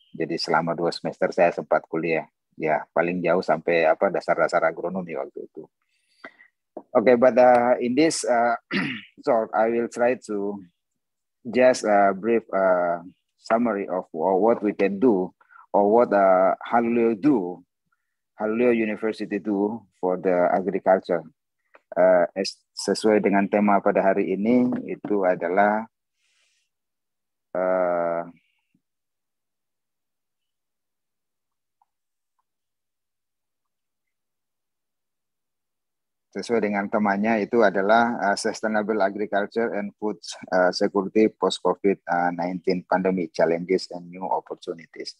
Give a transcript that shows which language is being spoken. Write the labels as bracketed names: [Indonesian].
[Indonesian] Jadi selama 2 semester saya sempat kuliah, ya paling jauh sampai dasar-dasar agronomi waktu itu. [English] Okay, but in this talk, I will try to just brief summary of what we can do or what Halu University do for the agriculture. [Indonesian] Sesuai dengan tema pada hari ini, itu adalah sesuai dengan temanya itu adalah [English] sustainable agriculture and food security post COVID-19 pandemic challenges and new opportunities.